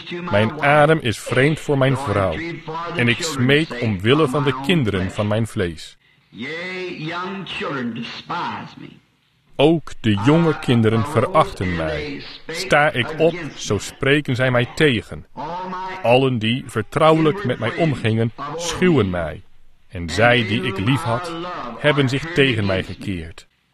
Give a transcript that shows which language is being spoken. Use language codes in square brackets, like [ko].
[nl] Mijn adem is vreemd voor mijn vrouw. En ik smeek omwille van de kinderen van mijn vlees. [en] Yea, young children despise me. [nl] Ook de jonge kinderen verachten mij. Sta ik op, zo spreken zij mij tegen. Allen die vertrouwelijk met mij omgingen, schuwen mij. En zij die ik lief had, hebben zich tegen mij gekeerd.